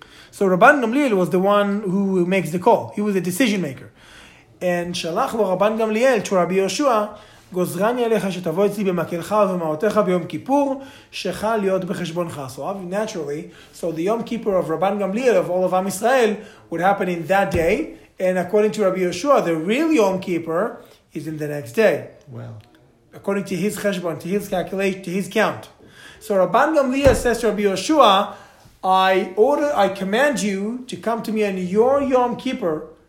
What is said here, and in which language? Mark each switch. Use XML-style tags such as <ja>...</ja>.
<en>So Rabban Gamliel was the one who makes the call. He was a decision maker.</en> <he>And Shalach lo Rabban Gamliel to Rabbi Yeshua, גוזרני עליך שתבוא אצלי במקלך ומעותיך ביום כיפור שחל להיות בחשבונך.</he> <en>So naturally, so the Yom Kippur of Rabban Gamliel, of all of Am Israel, would happen in that day. And according to Rabbi Yeshua, the real Yom Kippur is in the next day. Well. According to his cheshbon, to his calculation, to his count. So Rabban Gamliel says to Rabbi Yeshua, I command you to come to me on your Yom Kippur.</en>